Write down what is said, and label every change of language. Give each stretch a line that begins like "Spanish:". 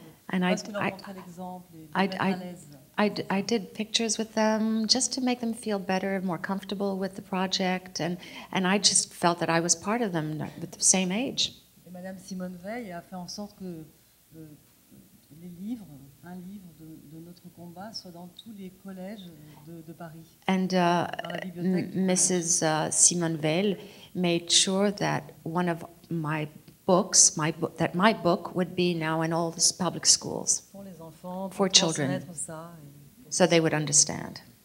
English: And I did pictures with them just to make them feel better, more comfortable with the project, and I just felt that I was part of them at the same age.
French: Et Madame Simone Veil a fait en sorte que les livres, un livre de notre combat, soit dans tous les collèges de Paris.
English: And Mrs. Simone Veil made sure that one of my books, my book would be now in all the public schools
French: pour les enfants,
English: for children,
French: ça,
English: so they would understand.